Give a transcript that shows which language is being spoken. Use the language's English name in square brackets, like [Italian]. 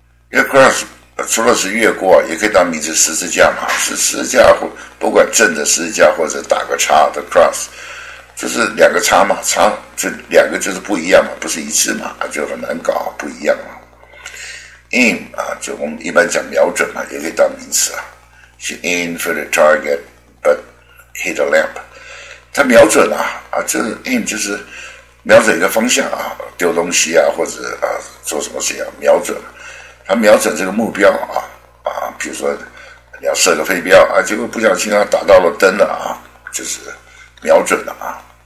[Chinese] Your cross 除了是越过，也可以当名词十字架嘛，是十字架或不管正的十字架或者打个叉的 cross， 就是两个叉嘛，叉就两个就是不一样嘛，不是一致嘛，就很难搞，不一样嘛。 Aim 啊，就我们一般讲瞄准嘛，也可以当名词啊。 [English] She aimed for the target, but hit a lamp. [Chinese] 他瞄准了 就是 aim 就是瞄准一个方向啊，丢东西啊，或者啊做什么事啊，瞄准。他瞄准这个目标啊啊，比如说你要射个飞镖啊，结果不小心啊打到了灯了啊，就是瞄准了啊。